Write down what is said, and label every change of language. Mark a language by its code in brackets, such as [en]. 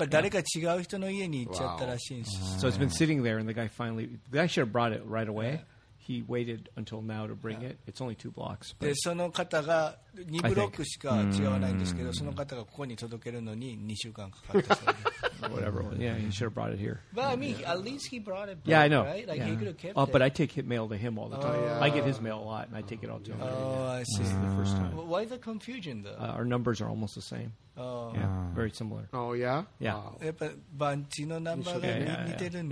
[en] So it's been sitting there, and the guy should have brought it right away. Yeah. He waited until now to bring it. It's only 2 blocks. [ja] But その方が2ブロックしか違わないんですけど、その方がここに届けるのに2週間かかったそうです。 [en] Whatever. Yeah, he should have brought it here. But I mean, at least he brought it back, yeah, I know. Right? Like, yeah. He could have kept it. But I take his mail to him all the time. Yeah. I get his mail a lot, and I take it all to him. Oh, I see. This is the first time. Well, why the confusion, though? Our numbers are almost the same. Oh. Yeah, very similar. Oh, yeah? Yeah. But the number is similar.